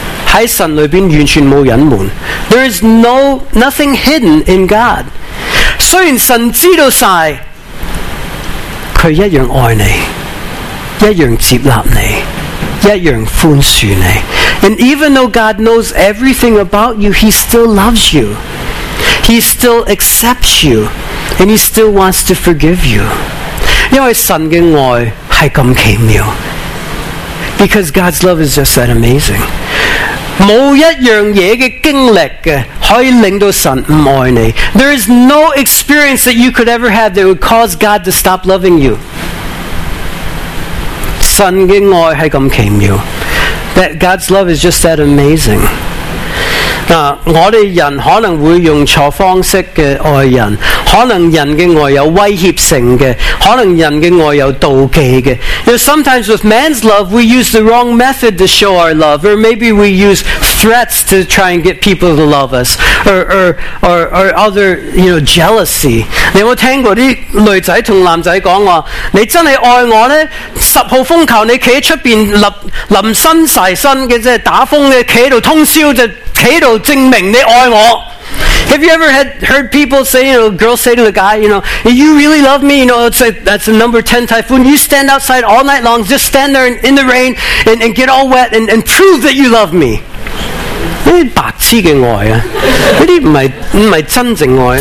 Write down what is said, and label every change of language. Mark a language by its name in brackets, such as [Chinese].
[Chinese] 在神里面完全没有隐瞒。 [English] There is nothing hidden in God. [Chinese] 虽然神知道晒，祂一样爱你。一样接纳你，一样宽恕你。 [English] And even though God knows everything about you, He still loves you. He still accepts you. And He still wants to forgive you. [Chinese] 因为神的爱是这么奇妙。 [English] Because God's love is just that amazing. [Chinese] 没有一样东西的经历可以令到神不爱你。 [English] There is no experience that you could ever have that would cause God to stop loving you. [Chinese] 神的爱是这么奇妙。 [English] That God's love is just that amazing. [Chinese] 我们人可能会用错方式的爱人，可能人的爱有威胁性的，可能人的爱有妒忌的。 [English] You know, sometimes with man's love, we use the wrong method to show our love, or maybe we use threats to try and get people to love us, or other, you know, jealousy. [Chinese] 你有没有听过那些女仔和男仔说话，你真的爱我呢？十号风球你站在外面淋身晒身的，打风的，站在那里通宵，就站在那里证明你爱我。 [English] Have you ever heard people say, you know, girls say to the guy, you know, you really love me? You know, it's like, that's a number 10 typhoon. You stand outside all night long, just stand there in the rain and get all wet and prove that you love me. [Chinese] 这些白痴的爱啊，这些不是真正爱。